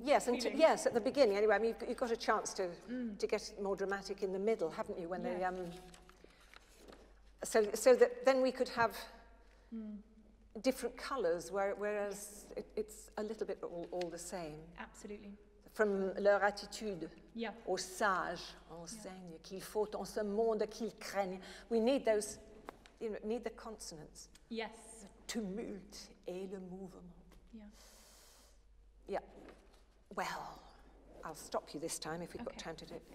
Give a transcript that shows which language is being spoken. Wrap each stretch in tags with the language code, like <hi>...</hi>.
<en>Yes, and yes, at the beginning, anyway. I mean, you've got a chance to get more dramatic in the middle, haven't you? When they, so that then we could have. Mm. Different colours, whereas it's a little bit all the same. Absolutely.</en> <fr>From leur attitude</fr> <en>yeah.</en> <fr>au sage, enseigne, qu'il faut en ce monde qu'il craigne.</fr> <en>We need those, you know, need the consonants. Yes. The tumult</en> <fr>et le mouvement.</fr> <en>Yeah. Yeah. Well, I'll stop you this time if we've got time to do it.</en>